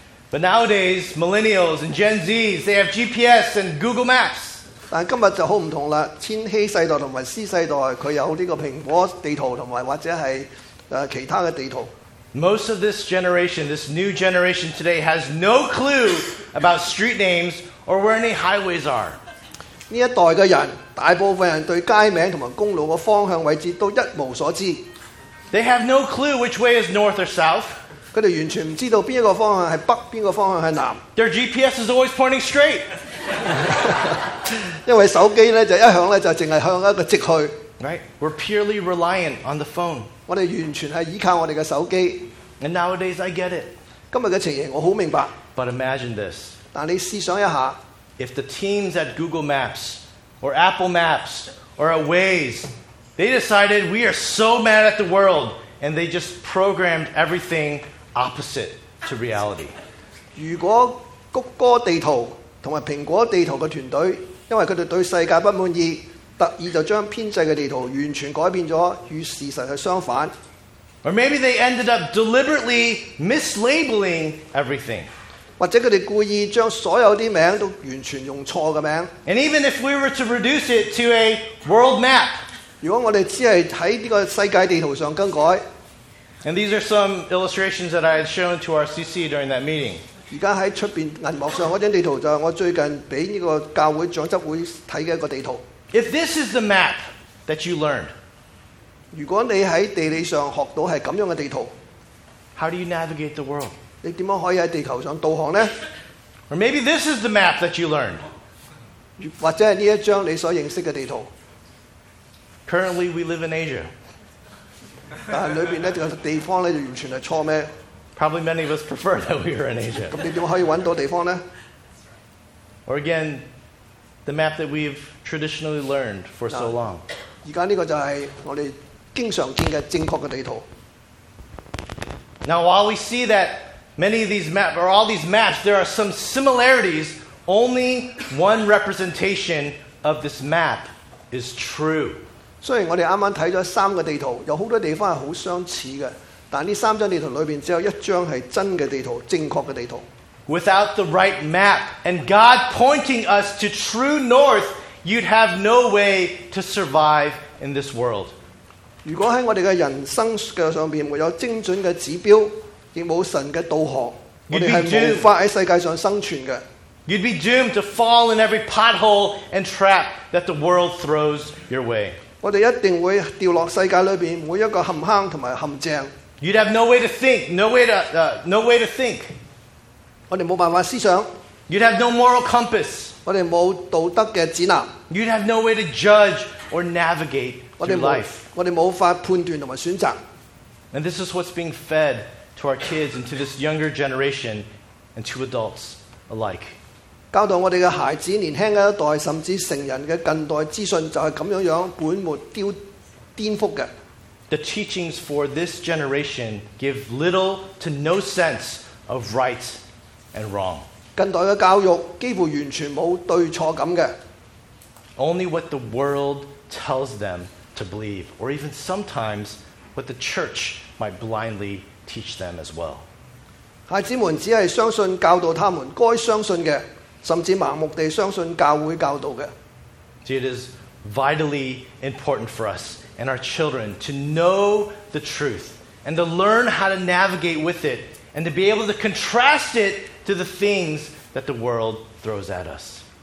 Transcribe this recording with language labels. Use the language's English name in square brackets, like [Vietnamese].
[English] ？But nowadays, millennials and Gen Zs, they have GPS and Google Maps. [Cantonese] 但今日就好唔同啦，千禧世代同埋 C 世代，佢有呢個蘋果地圖同埋或者係其他嘅地圖。 [English] Most of this generation, this new generation today, has no clue about street names or where any highways are. [Cantonese] 呢一代嘅人，大部分人对街名同埋公路嘅方向位置都一无所知。 [English] They have no clue which way is north or south. [Cantonese] 佢哋完全唔知道边一个方向系北，边个方向系南。 [English] Their GPS is always pointing straight. [Cantonese] 因为手机咧就一向咧就净系向一个直去。 [English] Right, we're purely reliant on the phone. [Cantonese] 我哋完全系依靠我哋嘅手机。 [English] And nowadays, I get it. [Cantonese] 今日嘅情形我好明白。 [English] But imagine this. [Cantonese] 但你试想一下 [English] ，if the teams at Google Maps or Apple Maps or at Waze, they decided we are so mad at the world and they just programmed everything opposite to reality. [Cantonese] 如果谷歌地图同埋苹果地图嘅团队，因为佢哋对世界不满意。特意就將編製嘅地圖完全改變咗，與事實係相反。 [English] Or maybe they ended up deliberately mislabeling everything. [Cantonese] 或者佢哋故意將所有啲名都完全用錯嘅名。 [English] And even if we were to reduce it to a world map, [Cantonese] 如果我哋只係喺呢個世界地圖上更改。 [English] And these are some illustrations that I had shown to our CC during that meeting. [Cantonese] 而家喺出邊銀幕上嗰張地圖就係我最近俾呢個教會長執會睇嘅一個地圖。 [English] If this is the map that you learned, [Cantonese] 如果你喺地理上学到系咁样嘅地图 [English] ，How do you navigate the world? [Cantonese] 你点样可以喺地球上导航呢 [English] ？Or maybe this is the map that you learned, [Cantonese] 或者系呢一张你所认识嘅地图。 [English] Currently, we live in Asia. [Cantonese] 但系里边咧个地方咧就完全系错咩 [English] ？Probably many of us prefer that we are in Asia. [Cantonese] 咁你点可以揾到地方呢 [English] ？Or again. The map that we've traditionally learned for so long. 而家呢个就系我哋经常见嘅正确嘅地图。 Now, while we see that many of these maps or all these maps, there are some similarities. Only one representation of this map is true. [Cantonese] 虽然我哋啱啱睇咗三个地图，有好多地方系好相似嘅，但呢三張地圖裏邊只有一張係真嘅地圖，正確嘅地圖。 [English] Without the right map and God pointing us to true north, you'd have no way to survive in this world. [Cantonese] 如果喺我哋嘅人生嘅上邊沒有精準嘅指標，亦冇神嘅導航，我哋係無法喺世界上生存嘅。 [English] You'd be doomed to fall in every pothole and trap that the world throws your way. [Cantonese] 我哋一定會掉落世界裏邊每一個陷坑同埋陷阱。 [English] You'd have no way to think, no way to think. [Cantonese] 我哋冇辦法思想。 [English] You'd have no moral compass. [Cantonese] 我哋冇道德嘅指南。 [English] You'd have no way to judge or navigate through life. [Cantonese] 我哋冇法判斷同埋選擇。 [English] And this is what's being fed to our kids and to this younger generation and to adults alike. [Cantonese] 教导我哋嘅孩子、年轻嘅一代，甚至成人嘅近代资讯，就系咁样样本末丢颠覆嘅。 [English] The teachings for this generation give little to no sense of right and wrong. [Cantonese] 近代嘅教育几乎完全冇对错感嘅。 [English] Only what the world tells them to believe, or even sometimes what the church might blindly teach them as well. [Cantonese] 孩子们只系相信教导他们该相信嘅。甚至盲目地相信教会教导嘅。 [English] See, it is vitally important for us and our children to know the truth and to learn how to navigate with it and to be able to contrast it to the things that the world throws at us.